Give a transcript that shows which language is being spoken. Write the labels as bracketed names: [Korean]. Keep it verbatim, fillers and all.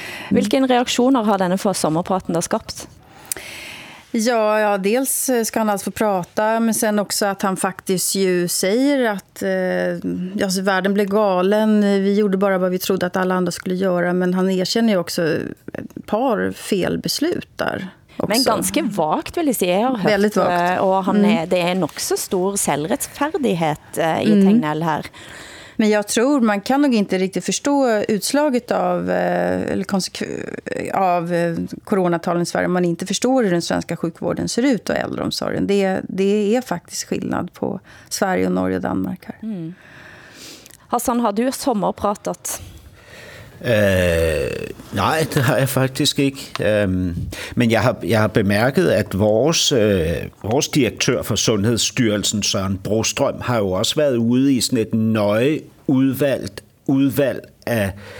[Swedish] Vilken reaktioner har denne för sommarpraten då skapat? Ja, ja, dels ska han alltså få prata, men sen också att han faktiskt ju säger att eh, alltså, världen blev galen, vi gjorde bara vad vi trodde att alla andra skulle göra, men han erkänner ju också ett par felbeslut där. [Norwegian] Også. Men ganske vagt, vil jeg si. Jeg har hørt, vagt. Og han er, mm. det er en også stor selvretfærdighet eh, i mm. Tegnell her. [Swedish] Men jag tror man kan nog inte riktigt förstå utslaget av eller konsekv- av coronatalen i Sverige om man inte förstår hur den svenska sjukvården ser ut och äldreomsorgen. Det det är faktiskt skillnad på Sverige och Norge och Danmark här. Mm. Hassan, har du sommarpratat? [Danish] Øh, nej, det har jeg faktisk ikke. Øhm, men jeg har, jeg har bemærket, at vores, øh, vores direktør for Sundhedsstyrelsen, Søren Brostrøm, har jo også været ude i sådan et nøje udvalgt udvalg af,